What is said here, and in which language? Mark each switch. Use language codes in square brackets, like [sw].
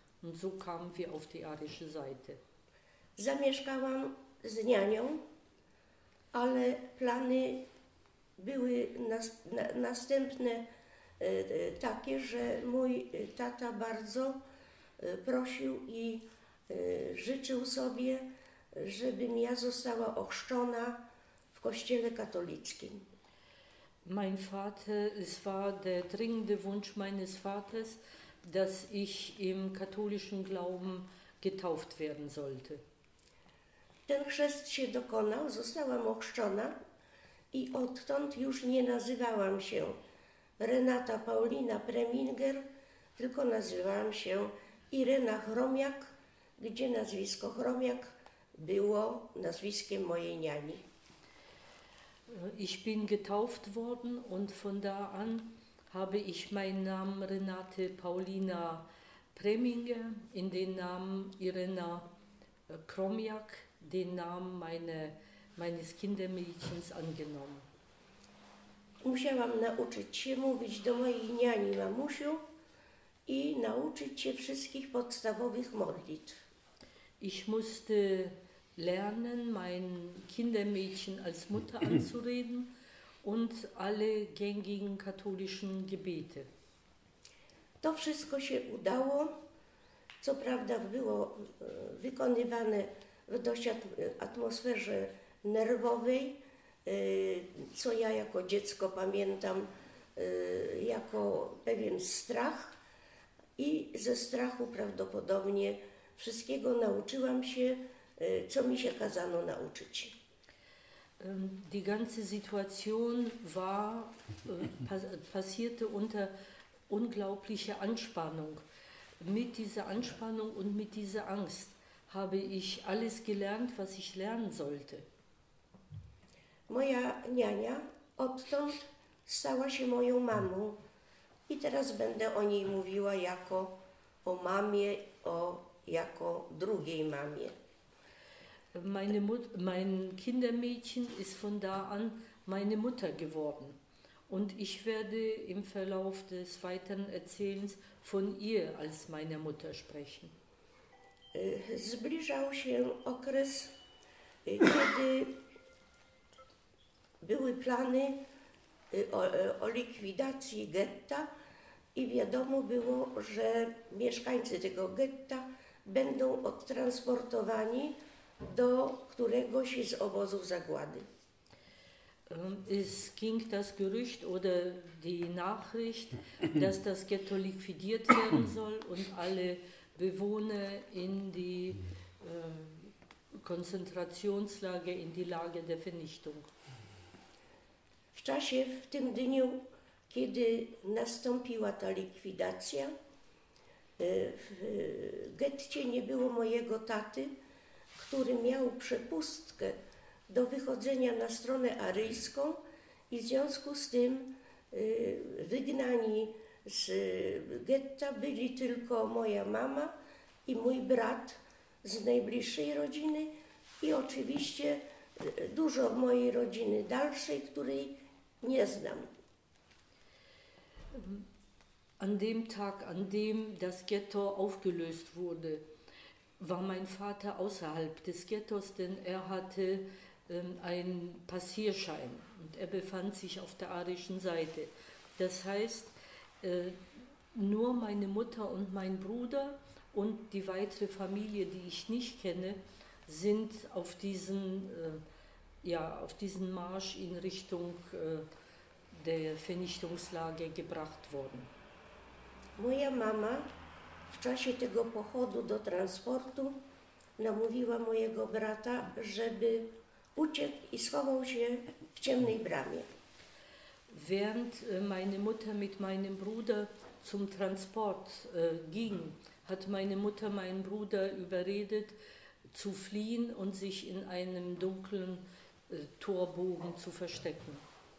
[de] Und so kamen wir auf die arische Seite. [pl] Zamieszkałam z nianią, ale plany były następne takie, że mój tata bardzo prosił i życzył sobie, żebym ja została ochrzczona w kościele katolickim. [de] Mein Vater, es war der dringende Wunsch meines Vaters, dass ich im katholischen Glauben getauft werden sollte. [pl] Ten chrzest się dokonał, zostałam ochrzczona i odtąd już nie nazywałam się Renata Paulina Preminger, tylko nazywałam się Irena Chromiak, gdzie nazwisko Chromiak było nazwiskiem mojej niani. [de] Ich bin getauft worden und von da an habe ich meinen Namen Renate Paulina Preminger in den Namen Irena Chromiak, den Namen meines Kindermädchens angenommen. [pl] Musiałam nauczyć się mówić do mojej niani mamusiu i nauczyć się wszystkich podstawowych modlitw. [de] Ich musste lernen, mein Kindermädchen als Mutter anzureden und alle gängigen katholischen Gebete. [pl] To wszystko się udało, co prawda było wykonywane w dość atmosferze nerwowej, co ja jako dziecko pamiętam jako pewien strach i ze strachu prawdopodobnie wszystkiego nauczyłam się, co mi się kazano nauczyć. [de] Die ganze Situation war, passierte unter unglaublicher Anspannung. Mit dieser Anspannung und mit dieser Angst habe ich alles gelernt, was ich lernen sollte. [pl] Moja niania odtąd stała się moją mamą i teraz będę o niej mówiła jako o mamie, o jako drugiej mamie. [de] Mein Kindermädchen ist von da an meine Mutter geworden und ich werde im Verlauf des weiteren Erzählens von ihr als meiner Mutter sprechen. [pl] Zbliżał się okres, kiedy były plany o likwidacji getta i wiadomo było, że mieszkańcy tego getta będą odtransportowani do któregoś z obozów zagłady. [de] Es ging das Gerücht oder die Nachricht, dass das Ghetto liquidiert werden soll und alle Bewohner in die Konzentrationslager, in die Lager der Vernichtung. [pl] W czasie, w tym dniu, kiedy nastąpiła ta likwidacja, w getcie nie było mojego taty, który miał przepustkę do wychodzenia na stronę aryjską i w związku z tym wygnani z getta byli tylko moja mama i mój brat z najbliższej rodziny i oczywiście dużo mojej rodziny dalszej, której nie znam. [de] An dem Tag, an dem das Ghetto aufgelöst wurde, war mein Vater außerhalb des Ghettos, denn er hatte einen Passierschein und er befand sich auf der arischen Seite. Das heißt, nur meine Mutter und mein Bruder und die weitere Familie, die ich nicht kenne, sind auf diesen, auf diesen Marsch in Richtung der Vernichtungslager gebracht worden. [pl] Moja Mama w czasie tego pochodu do transportu namówiła mojego brata, żeby uciekł i schował się w ciemnej bramie. [de] Während meine Mutter mit meinem Bruder zum Transport ging, hat meine Mutter meinen Bruder überredet, zu fliehen und sich in einem dunklen Torbogen zu verstecken.